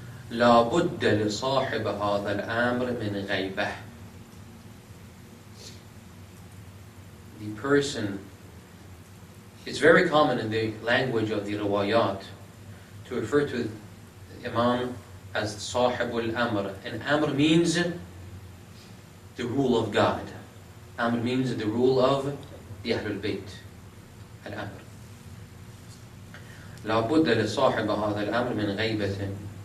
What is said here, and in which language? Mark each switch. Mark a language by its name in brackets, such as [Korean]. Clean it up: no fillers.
[Arabic] لا بد لصاحب هذا الأمر من غيبة. [English] The person, it's very common in the language of the riwayat to refer to the Imam as صاحب الأمر. And Amr means the rule of God. Amr means the rule of the Ahlul Bayt. [Arabic] الأمر. لا بد لصاحب هذا الأمر من غيبة.